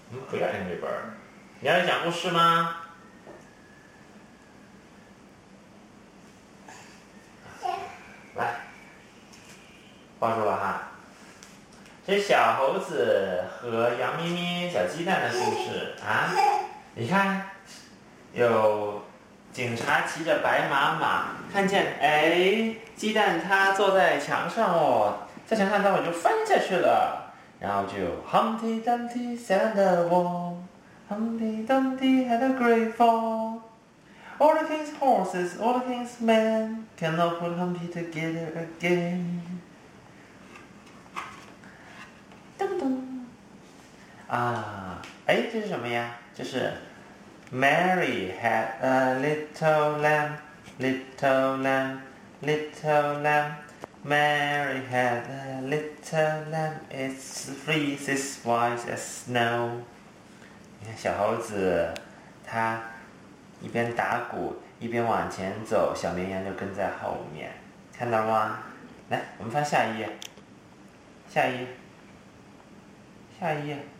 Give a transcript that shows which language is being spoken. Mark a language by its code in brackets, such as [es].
[zh] 不要念这本儿，你要讲故事吗？抱住了哈。这小猴子和羊咪咪、小鸡蛋的故事啊。你看，有警察骑着白马，看见哎，鸡蛋它坐在墙上哦，在墙上它我就翻下去了，然后就 [en] Humpty Dumpty sat on the wall，Humpty Dumpty had a great fall，All the king's horses, all the king's men cannot put Humpty together again。 [zh] 咚咚，啊，哎，这是什么呀？这是。 [en] Mary had a little lamb, little lamb, little lamb. Mary had a little lamb, its fleece is white as snow. [zh] 你看，小猴子，它一边打鼓一边往前走，小绵羊就跟在后面，看到吗？来，我们翻下一页，下一页，下一页。